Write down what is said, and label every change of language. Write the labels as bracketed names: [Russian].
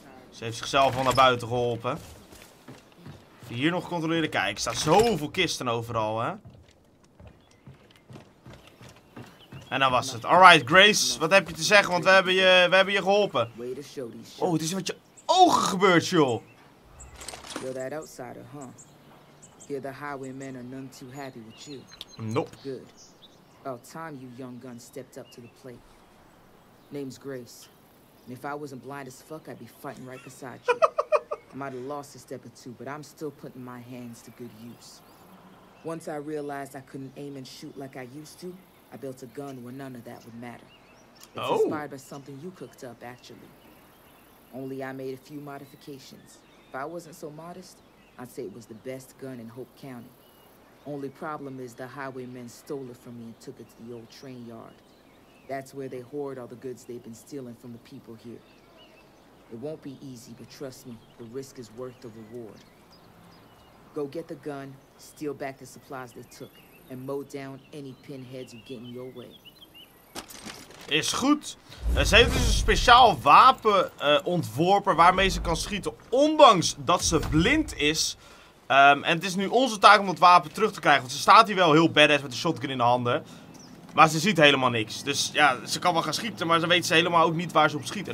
[Dutch] Ze heeft zichzelf al naar buiten geholpen. Even hier nog controleren. Kijk, er staan zoveel kisten overal, hè. En dan was het. [English] Alright, Grace, [Dutch] wat heb je te zeggen? Want we hebben je geholpen. Oh, het is met je ogen gebeurd, joh. [English] You're that outsider, huh? Here the highwaymen are none too happy with you. Nope. Good. About time you young gun stepped up to the plate. Name's Grace. And if I wasn't blind as fuck, I'd be fighting right beside you. I might have lost a step or two, but I'm still putting my hands to good use. Once I realized I couldn't aim and shoot like I used to. I built a gun where none of that would matter. It's inspired by something you cooked up, actually. Only I made a few modifications. If I wasn't so modest, I'd say it was the best gun in Hope County. Only problem is the highwaymen stole it from me and took it to the old train yard. That's where they hoard all the goods they've been stealing from the people here. It won't be easy, but trust me, the risk is worth the reward. Go get the gun, steal back the supplies they took. [Dutch] En [English] mow down any pinheads you get in your way. [Dutch] Is goed. Ze heeft dus een speciaal wapen ontworpen waarmee ze kan schieten. Ondanks dat ze blind is. En het is nu onze taak om dat wapen terug te krijgen. Want ze staat hier wel heel badass met de shotgun in de handen. Maar ze ziet helemaal niks. Dus ja, ze kan wel gaan schieten. Maar ze weet ze helemaal ook niet waar ze op schiet.